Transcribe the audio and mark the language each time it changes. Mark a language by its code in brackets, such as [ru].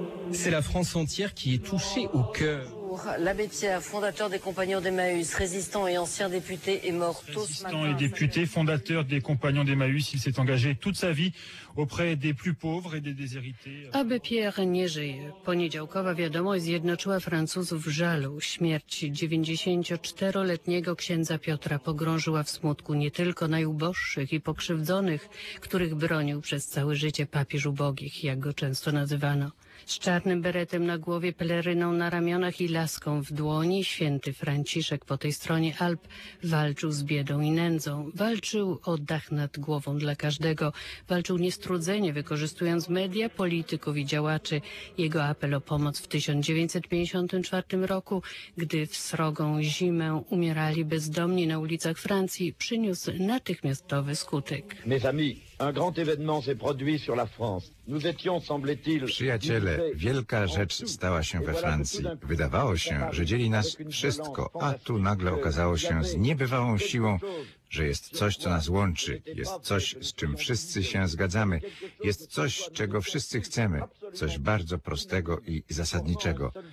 [fr] C'est la France entière qui est touchée au cœur. L'abbé Pierre, fondateur des Compagnons d'Emmaüs, résistant et ancien député, est mort tôt ce matin. Résistant et député, fondateur des Compagnons d'Emmaüs, il s'est engagé toute sa vie auprès des plus pauvres et des déshérités. [pl] Abbé Pierre nie żyje. Poniedziałkowa wiadomość zjednoczyła Francuzów w żalu. Śmierć 94-letniego księdza Piotra pogrążyła w smutku nie tylko najuboższych i pokrzywdzonych, których bronił przez całe życie papież ubogich, jak go często nazywano. Z czarnym beretem na głowie, peleryną na ramionach i laską w dłoni, święty Franciszek po tej stronie Alp walczył z biedą i nędzą. Walczył o dach nad głową dla każdego. Walczył niestrudzenie, wykorzystując media, polityków i działaczy. Jego apel o pomoc w 1954 roku, gdy w srogą zimę umierali bezdomni na ulicach Francji, przyniósł natychmiastowy skutek. [fr] Mes amis. Un grand événement s'est produit sur la France. Nous étions, semblait-il, [pl] przyjaciele, wielka rzecz stała się we Francji. Wydawało się, że dzieli nas wszystko, a tu nagle okazało się z niebywałą siłą, że jest coś, co nas łączy, jest coś, z czym wszyscy się zgadzamy, jest coś, czego wszyscy chcemy, coś bardzo prostego i zasadniczego.